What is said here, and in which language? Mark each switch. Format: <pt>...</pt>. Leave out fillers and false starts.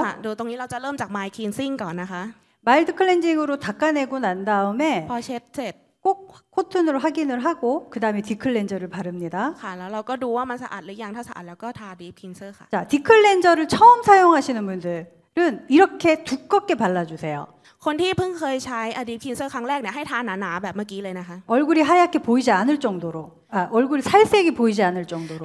<th>ค่ะดูตรงนี้เราจะเริ่มจากไมล์คลีนซิ่งก่อนนะคะ</th> <ko>마일드클렌징으로닦아내고난다음에</ko> <th>พอเช็ดเสร็จ</th> <ko>꼭코튼으로확인을하고그다음에디클렌저를바릅니다</ko> <th>ค่ะแล้วเราก็ดูว่ามันสะอาดหรือยังถ้าสะอาดแล้วก็ทาดีพินเซอร์ค่ะ</th> <ko>자디클렌저를처음사용하시는분들은이렇게두껍게발라주세요</ko> <th>คนที่เพิ่งเคยใช้ดีพินเซอร์ครั้งแรกเนี่ยให้ทาหนาๆแบบเมื่อกี้เลยนะคะ</th> <ko>얼굴이하얗게보이지않을정도로아얼굴이살색이보이지않을정도로</ko>